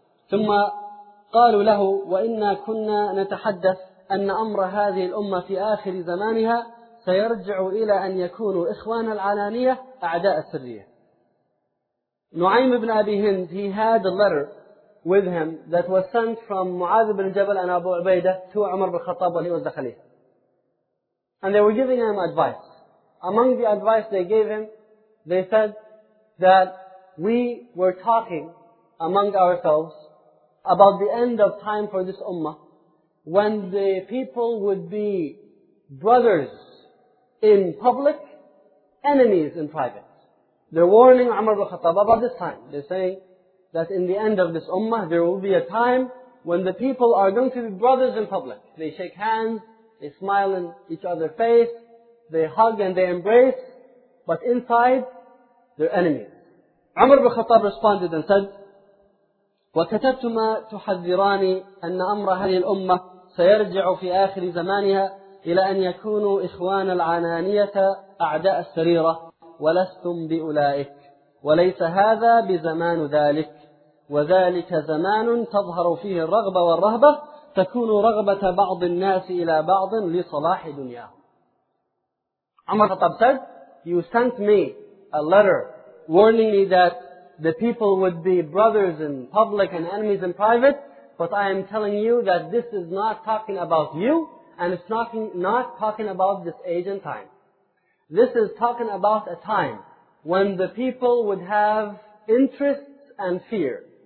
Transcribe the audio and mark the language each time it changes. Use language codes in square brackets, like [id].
[ar] Thumma qalu lahu, wa-inna kunna natahaddath أن أمر هذه الأمة في آخر زمانها سيرجع إلى أن يكونوا إخوان العلانية أعداء السرية. [en] نعيم بن أبي هند, he had a letter with him that was sent from Mu'adh ibn Jabal and Abu Ubaidah to Umar ibn Khattab when he was the Khalifa. And they were giving him advice. Among the advice they gave him, they said that we were talking among ourselves about the end of time for this Ummah, when the people would be brothers in public, enemies in private. They're warning Umar ibn Khattab about this time. They're saying that in the end of this ummah, there will be a time when the people are going to be brothers in public. They shake hands, they smile in each other's face, they hug and they embrace, but inside, they're enemies. Umar ibn Khattab responded and said, [ar] وَكَتَبْتُمَا تُحَذِّرَانِي أَنَّ أَمْرَ هَذِهِ الْأُمَّةِ سيرجع في آخر زمانها إلى أن يكونوا إخوان العنانية أعداء السريرة ولستم بأولئك وليس هذا بزمان ذلك وذلك زمان تظهر فيه الرغبة والرهبة تكون رغبة بعض الناس إلى بعض لصلاح دنياهم. عمر خطاب [en] said, you sent me a letter warning me that the people would be brothers in public and enemies in private, but I am telling you that this is not talking about you, and it's not talking about this age and time. This is talking about a time when the people would have interests and fear.